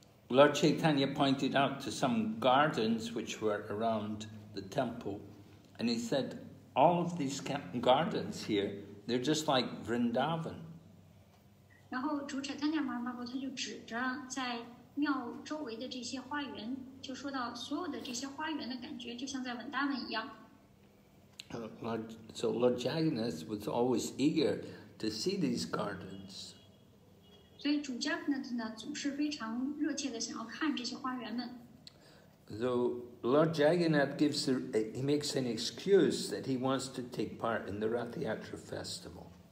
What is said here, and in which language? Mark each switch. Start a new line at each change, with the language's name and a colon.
English: Lord Chaitanya pointed out to some gardens which were around the temple, and he said, all of these gardens here, they're just like Vrindavan.
Chinese: 然后主持丹尼尔马巴布他就指着在庙周围的这些花园，就说到所有的这些花园的感觉就像在文达文一样。
English: So Lord Jagannath was always eager to see these gardens.
Chinese: 所以主加格纳特呢总是非常热切的想要看这些花园们。
English: So Lord Jagannath gives he makes an excuse that he wants to take part in the Rath Yatra festival.